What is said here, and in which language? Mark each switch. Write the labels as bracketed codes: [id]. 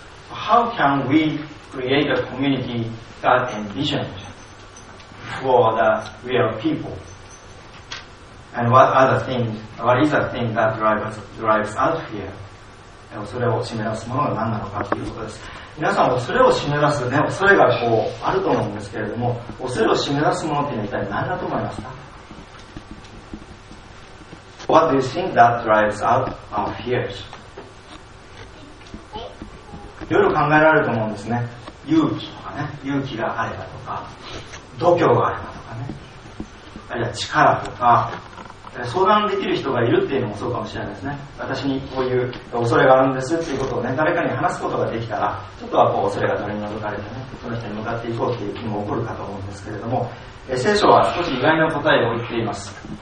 [en] How can we create a community that envisioned for the real people? And what are the things, what is the thing that drives out fear? [ja] 恐れを締め出すものが何なのかということです。皆さん恐れを締め出す、ね、恐れがこうあると思うんですけれども、恐れを締め出すものというのは一体何だと思いますか？ [en] What do you think that drives out our fears? [ja] いろいろ考えられると思うんですね。勇気とかね、勇気があればとか、度胸があればとかね、あるいは力とか、相談できる人がいるっていうのもそうかもしれないですね。私にこういう恐れがあるんですっていうことをね、誰かに話すことができたら、ちょっとはこう恐れが取り除かれてね、その人に向かっていこうっていう気も起こるかと思うんですけれども、聖書は少し意外な答えを言っています。